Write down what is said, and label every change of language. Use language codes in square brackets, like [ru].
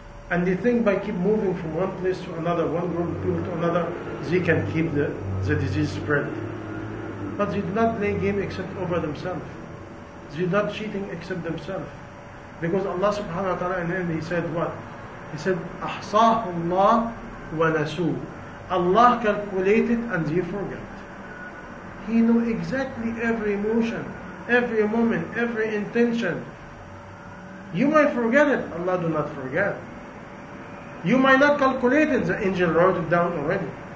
[en] And they think by keep moving from one place to another, one group of people to another, they can keep the disease spread. But they do not play game except over themselves. They're not cheating except themselves. Because Allah subhanahu wa ta'ala in him, he said what? He said, [ar] أَحْصَاهُ اللَّهُ وَنَسُوهُ. [en] Allah calculated and they forget. He knew exactly every emotion, every moment, every intention. You might forget it, Allah do not forget. You might not calculate it, the angel wrote it down already.